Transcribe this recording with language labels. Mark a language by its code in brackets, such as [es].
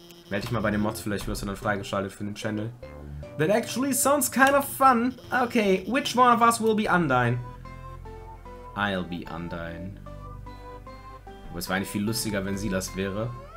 [de] Meld dich mal bei den Mods, vielleicht wirst du dann freigeschaltet für den Channel. [en] That actually sounds kind of fun. Okay, which one of us will be Undyne? I'll be Undyne. [de] Aber es wäre eigentlich viel lustiger, wenn sie das wäre.